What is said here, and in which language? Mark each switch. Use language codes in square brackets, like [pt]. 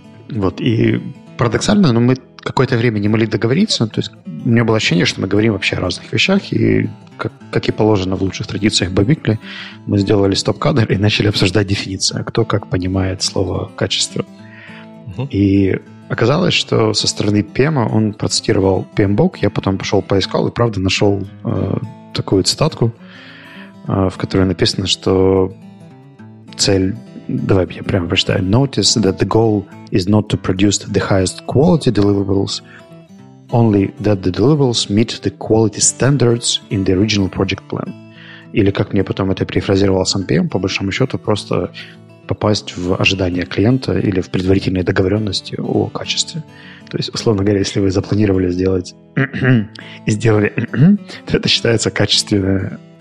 [ru] Вот, и парадоксально, но мы какое-то время не могли договориться, то есть у меня было ощущение, что мы говорим вообще о разных вещах, и, как и положено в лучших традициях Бабикли, мы сделали стоп-кадр и начали обсуждать дефиницию, кто как понимает слово «качество». Угу. И оказалось, что со стороны PM-а он процитировал PM-бок, я потом пошел поискал и, правда, нашел такую цитатку, в которой написано, что цель... Давай я прямо прочитаю. [en] Notice that the goal is not to produce the highest quality deliverables, only that the deliverables meet the quality standards in the original project plan. [ru] Или как мне потом это перефразировал сам PM, по большому счету просто попасть в ожидания клиента или в предварительные договоренности о качестве. То есть, условно говоря, если вы запланировали сделать и сделали, то это считается качественное...